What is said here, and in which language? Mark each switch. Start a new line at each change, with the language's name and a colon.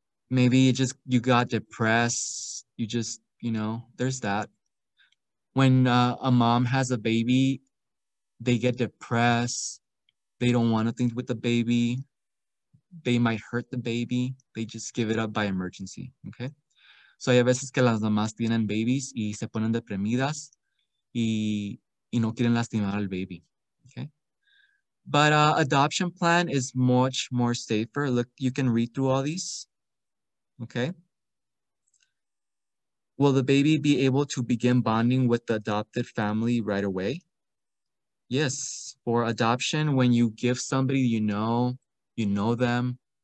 English: Maybe you got depressed. You just, you know, there's that. When a mom has a baby, they get depressed. They don't want to think with the baby. They might hurt the baby. They just give it up by emergency, okay?
Spanish: So hay veces que las mamás tienen babies y se ponen deprimidas y no quieren lastimar al baby, okay?
English: But adoption plan is much more safer. Look, you can read through all these, okay? Will the baby be able to begin bonding with the adopted family right away? Yes, for adoption, when you give somebody you know them.